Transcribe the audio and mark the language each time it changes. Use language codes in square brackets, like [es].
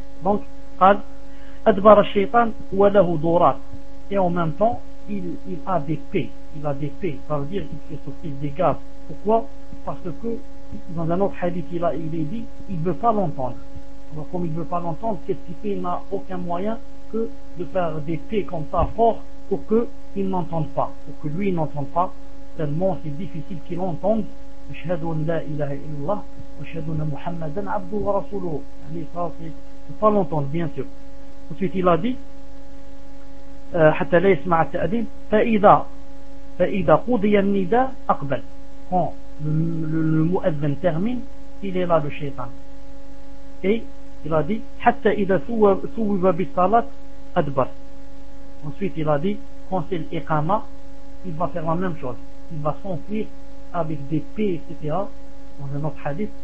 [fr] Donc il [ar] أدبر الشيطان وله دورات [fr] et en même temps il a des pets, il a des pets, ça veut dire qu'il fait sortir des gaz. Pourquoi? Parce que dans un autre hadith il est dit il ne veut pas l'entendre. Alors comme il ne veut pas l'entendre, qu'est-ce qu'il fait? Il n'a aucun moyen que de faire des pets comme ça fort pour que il n'entende pas, pour que lui il n'entende pas, tellement c'est difficile qu'il entende. [ar] أشهد أن لا إله إلا الله وأشهد أن محمدا عبده ورسوله. [fr] Il ne veut pas l'entendre, bien sûr. Ensuite il a dit [ar] حتى لا يسمع التأذين فإذا قضي النداء أقبل. [fr] Quand le mu'adhdhin termine, il est là le shaitan. Et il a dit [ar] حتى إذا ثوب بالصلاة أدبر. [fr] Ensuite il a dit quand c'est l'iqama, il va faire la même chose, il va s'enfuir avec des pets, etc. Dans un autre hadith.